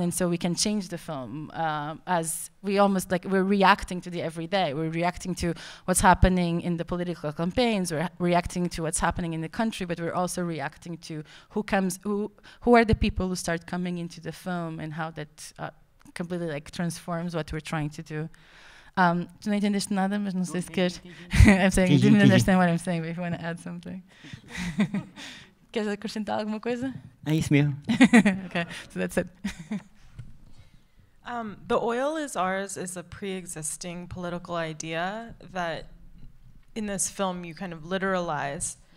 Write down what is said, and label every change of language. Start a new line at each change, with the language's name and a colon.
English: And so we can change the film as we almost like, we're reacting to the everyday. We're reacting to what's happening in the political campaigns. We're reacting to what's happening in the country, but we're also reacting to who are the people who start coming into the film, and how that completely like transforms what we're trying to do.
Portuguese: Tu não entendeste nada, mas não sei se queres.
English: I'm saying, you didn't understand what I'm saying, but if you want to add something.
Portuguese: Queres acrescentar alguma coisa? É isso mesmo.
English: Okay, so that's it. The oil is ours is a pre-existing political idea that in this film you kind of literalize.